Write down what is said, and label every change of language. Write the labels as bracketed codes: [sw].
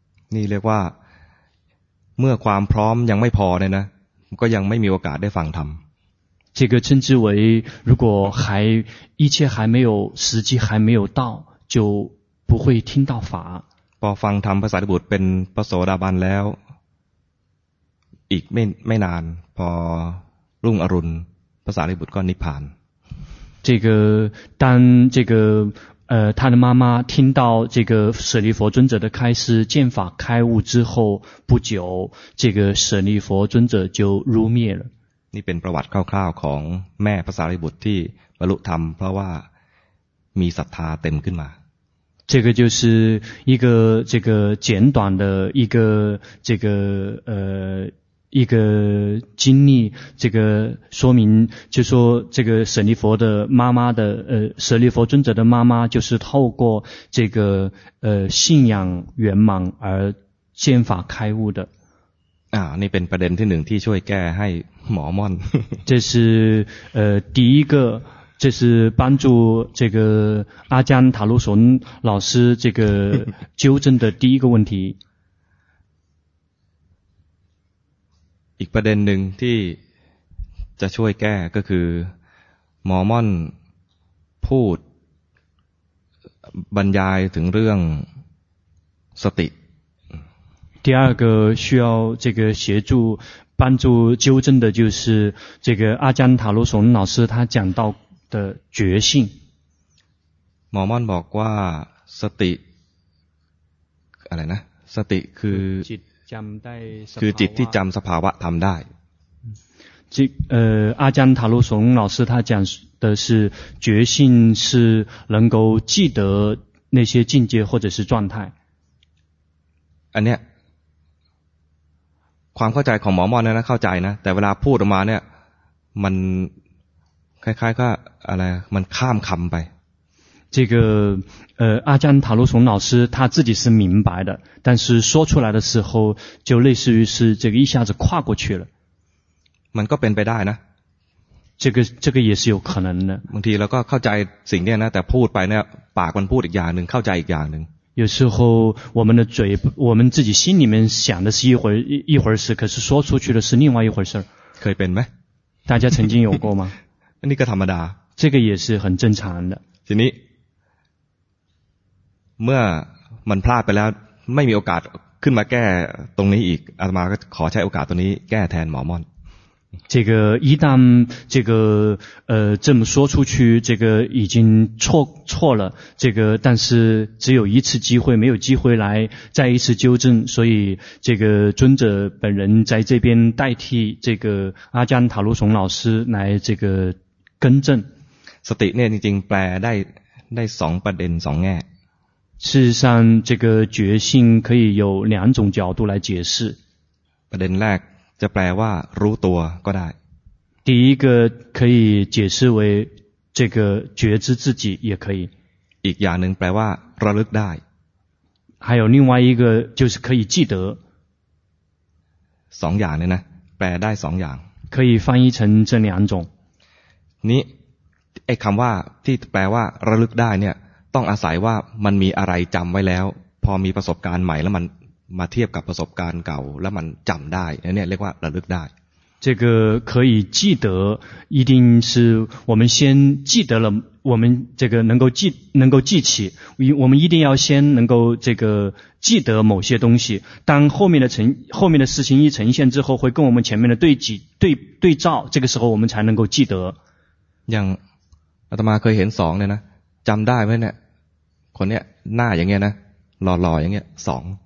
[th] นี่เรียกว่าเมื่อความพร้อมยังไม่พอเนี่ยนะก็ยังไม่มีโอกาสได้ฟังธรรม [zh] 这个称之为如果还一切还没有时机还没有到就不会听到法 [th] พอฟังธรรมพระสารีบุตรเป็นพระโสดาบันแล้วอีกไม่นานพอรุ่งอรุณพระสารีบุตรก็นิพพาน [zh] 这个当这个他的妈妈听到这个舍利弗尊者的开示见法开悟之后不久这个舍利弗尊者就入灭了 [th] นี่เป็นประวัติคร่าวๆของแม่พระสารีบุตรที่บรรลุธรรมเพราะว่ามีศรัทธาเต็มขึ้นมา [zh] 这个就是一个这个简短的一个这个一个经历这个说明就是说这个舍利弗的妈妈的舍利弗尊者的妈妈就是透过这个信仰圆满而见法开悟的 [th] นี่เป็นประเด็นที่หนึ่งที่ช่วยแก้ให้หมอม่อน [zh] 这是第一个这是帮助这个阿姜塔鲁松老师这个纠正的第一个问题 [th] อีกประเด็นหนึ่งที่จะช่วยแก้ก็คือมอมอนพูดบรรยายถึงเรื่องสติ [zh] 第二个需要这个协助帮助纠正的就是这个阿姜塔罗松老师他讲到的觉性 [th] มอมอนบอกว่าสติอะไรนะสติคือ จำได้คือจิตที่จำสภาวะทำได้ [zh] จิอาจารย์塔罗松老师他讲的是觉性是能够记得那些境界或者是状态 [th] อันเนี้ยความเข้าใจของหมอมอนนะเข้าใจนะแต่เวลาพูดออกมาเนี่ยมันคล้ายๆก็อะไรมันข้ามคำไป [zh] 这个阿姜塔罗松老师他自己是明白的但是说出来的时候就类似于是这个一下子跨过去了 [th] มันก็เป็นไปได้นะ [zh] 这个也是有可能的 [th] บางทีเราก็เข้าใจสิ่งเนี้ยนะแต่พูดไปเนี่ยปากมันพูดอีกอย่างนึงเข้าใจอีกอย่างนึง [zh] 有时候我们的嘴我们自己心里面想的是一会儿事可是说出去的是另外一回事 [th] เคยเป็นไหม [zh] 大家曾经有过吗 [th] นี่ก็ธรรมดา [zh] 这个也是很正常的 [th] ทีนี้เมื่อมันพลาดไปแล้วไม่มีโอกาสขึ้นมาแก้ตรงนี้อีกอาตมาก็ขอใช้โอกาสตรงนี้แก้แทนหมอม่อน [zh] 这个一旦这个这么说出去这个已经错了这个但是只有一次机会没有机会来再一次纠正所以这个尊者本人在这边代替这个阿姜塔罗松老师来这个更正 [th] สติเนี่ยจริงๆแปลได้สองประเด็นสองแง่ [zh] 事实上这个觉性可以有两种角度来解释 [th] ประเด็นแรกจะแปลว่ารู้ตัวก็ได้ [zh] 第一个可以解释为这个觉知自己也可以 [th] อีกอย่างหนึ่งแปลว่าระลึกได้ [zh] 还有另外一个就是可以记得 [th] สองอย่างเนี่ยนะแปลได้สองอย่าง [zh] 可以翻译成这两种 [th] นี้ไอ้คำว่าที่แปลว่าระลึกได้เนี่ยต้องอาศัยว่ามันมีอะไรจำไว้แล้วพอมีประสบการณ์ใหม่แล้วมันมาเทียบกับประสบการณ์เก่าแล้วมันจำได้เนี่ยเรียกว่าระลึกได้ [zh] 这个可以记得一定是我们先记得了我们这个能够记起我们一定要先能够这个记得某些东西当后面的事情一呈现之后会跟我们前面的对照这个时候我们才能够记得 [th] อย่างอาตมาเคยเห็นสองเลยนะจำได้ไหมเนี่ยคนเนี้ยหน้าอย่างเงี้ยนะหล่อๆอย่างเงี้ยสอง